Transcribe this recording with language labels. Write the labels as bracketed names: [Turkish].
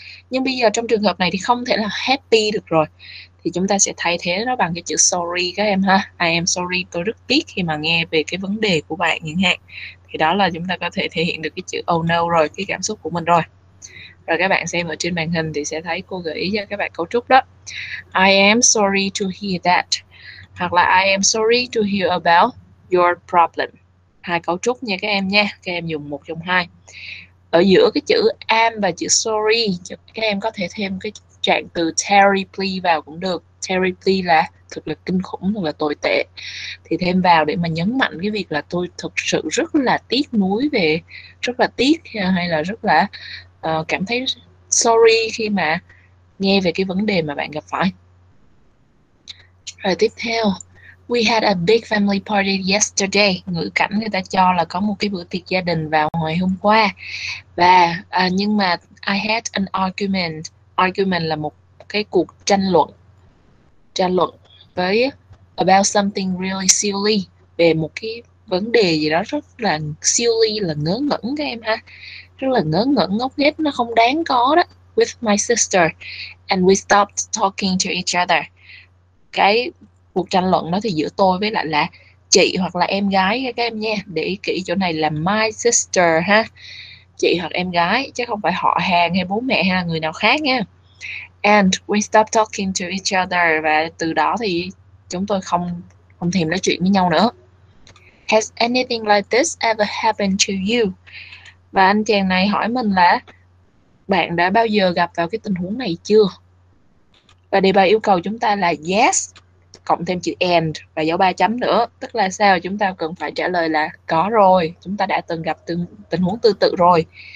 [Vietnamese] Nhưng bây giờ trong trường hợp này thì không thể là happy được rồi. Thì chúng ta sẽ thay thế nó bằng cái chữ sorry các em ha. [English] I am sorry, [Vietnamese] tôi rất tiếc khi mà nghe về cái vấn đề của bạn chẳng hạn. Thì đó là chúng ta có thể thể hiện được cái chữ [English] oh no [Vietnamese] rồi, cái cảm xúc của mình rồi. Rồi các bạn xem ở trên màn hình thì sẽ thấy cô gợi ý cho các bạn cấu trúc đó. [English] I am sorry to hear that. Hoặc là I am sorry to hear about your problem. [Vietnamese] Hai cấu trúc nha các em nha. Các em dùng một trong hai. Ở giữa cái chữ am và chữ sorry, các em có thể thêm cái trạng từ terribly vào cũng được. Terribly là thực là kinh khủng, thực là tồi tệ. Thì thêm vào để mà nhấn mạnh cái việc là tôi thực sự rất là tiếc nuối về, rất là tiếc hay là rất là cảm thấy sorry khi mà nghe về cái vấn đề mà bạn gặp phải. Rồi tiếp theo. [English] We had a big family party yesterday. [Vietnamese] Ngữ cảnh người ta cho là có một cái bữa tiệc gia đình vào ngày hôm qua. Và nhưng mà [English] I had an argument. [Vietnamese] Argument là một cái cuộc tranh luận. Tranh luận với [English] about something really silly, [Vietnamese] về một cái vấn đề gì đó rất là silly, là ngớ ngẩn các em ha. Rất là ngớ ngẩn, ngốc nghếch, nó không đáng có đó. [English] With my sister and we stopped talking to each other. [Vietnamese] Cái cuộc tranh luận đó thì giữa tôi với lại là chị hoặc là em gái các em nha. Để ý kỹ chỗ này là my sister ha, chị hoặc em gái chứ không phải họ hàng hay bố mẹ hay là người nào khác nha. [English] And we stop talking to each other, [Vietnamese] và từ đó thì chúng tôi không không thèm nói chuyện với nhau nữa. [English] Has anything like this ever happened to you? [Vietnamese] Và anh chàng này hỏi mình là bạn đã bao giờ gặp vào cái tình huống này chưa, và đề bài yêu cầu chúng ta là yes cộng thêm chữ and và dấu ba chấm nữa. Tức là sao? Chúng ta cần phải trả lời là có rồi, chúng ta đã từng gặp tình huống tương tự rồi.